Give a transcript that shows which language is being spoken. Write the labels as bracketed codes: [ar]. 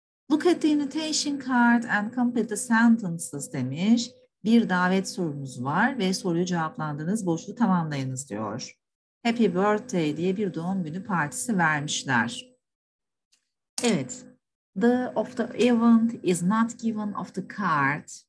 [en] Look at the invitation card and complete the sentences demiş. [tr] Bir davet sorumuz var ve soruyu cevaplandığınız boşluğu tamamlayınız diyor. Happy birthday diye bir doğum günü partisi vermişler. Evet. [en] The of the event is not given of the card.